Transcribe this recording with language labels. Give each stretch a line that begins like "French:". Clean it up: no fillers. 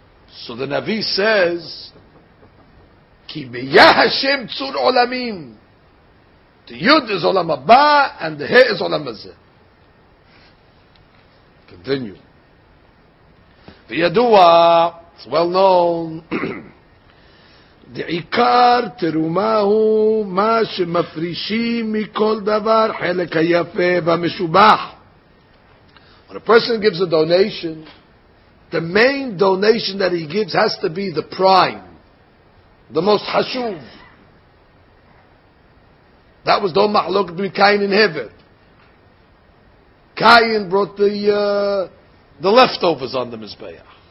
English: So the Navi says,
Hebrew: Ki biyah Hashem tzur olamim.
English: The Yud is olam abba, and the He is olam azeh. Continue.
Hebrew: V'yadua,
English: it's well known,
Hebrew: דעיקר תרומהו מה שמפרישים מכל דבר חלק היפה והמשובח.
English: When a person gives a donation, the main donation that he gives has to be the prime, the most חשוב. That was the מחלוקת between Cain and Hevel. Cain brought the leftovers on the Mizbeach.